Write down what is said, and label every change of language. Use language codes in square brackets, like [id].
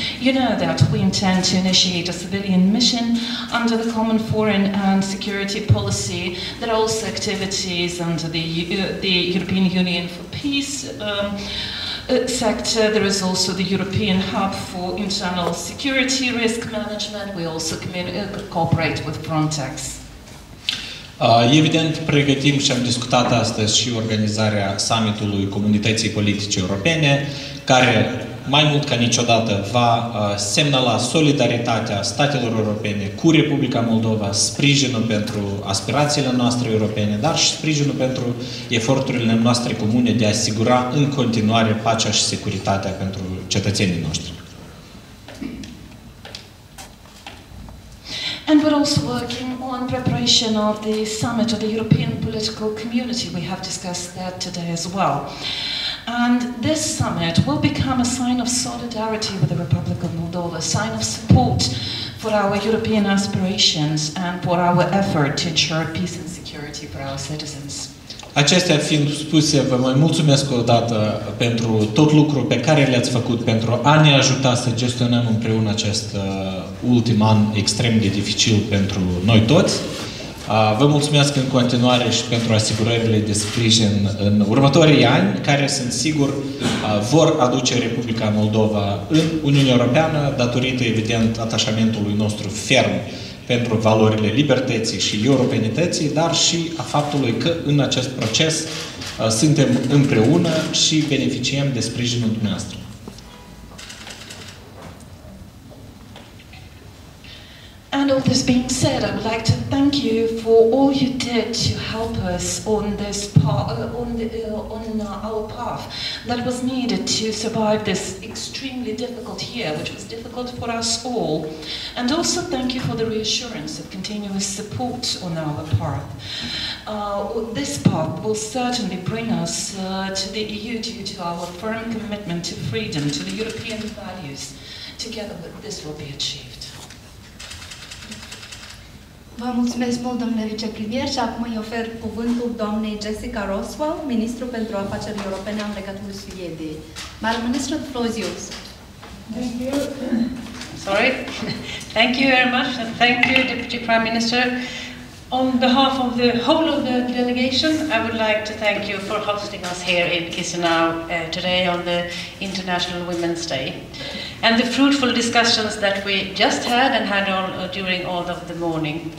[en] You know that we intend to initiate a civilian mission under the Common Foreign and Security Policy. There are also activities under the European Union for Peace sector. There is also the European Hub for Internal Security Risk Management. We also cooperate with Frontex. [ro] Evident, pregătim și am discutat astăzi și organizarea summitului Comunității Politice Europene, care mai mult ca niciodată va semnala solidaritatea statelor europene cu Republica Moldova, sprijinul pentru aspirațiile noastre europene, dar și sprijinul pentru eforturile noastre comune de a asigura în continuare pacea și securitatea pentru cetățenii noștri. [en] And we're also working on preparation of the summit of the European Political Community. We have discussed that today as well. And this summit will become a sign of solidarity with the Republic of Moldova, a sign of support for our European aspirations and for our effort to ensure peace and security for our citizens. [ro] Acestea fiind spuse, vă mai mulțumesc o dată pentru tot lucrul pe care le-ați făcut pentru a ne ajuta să gestionăm împreună acest ultim an extrem de dificil pentru noi toți. Vă mulțumesc în continuare și pentru asigurările de sprijin în următorii ani, care sunt sigur vor aduce Republica Moldova în Uniunea Europeană, datorită evident atașamentului nostru ferm pentru valorile libertății și europenității, dar și a faptului că în acest proces suntem împreună și beneficiem de sprijinul dumneavoastră. [en] And all this being said, I would like to thank you for all you did to help us on this path, our path that was needed to survive this extremely difficult year, which was difficult for us all. And also thank you for the reassurance of continuous support on our path. This path will certainly bring us to the EU due to our firm commitment to freedom, to the European values. Together with this will be achieved. [ro] Vă mulțumesc mult, domnule vicepremier, și acum îi ofer cuvântul doamnei Jessica Roswell, ministru pentru afaceri europene în legătură cu Suediei. [en] Madam Minister, the floor is yours. Thank you. Sorry. Thank you very much, and thank you, Deputy Prime Minister. On behalf of the whole of the delegation, I would like to thank you for hosting us here in Chisinau today on the International Women's Day. And the fruitful discussions that we just had and had all during all of the morning.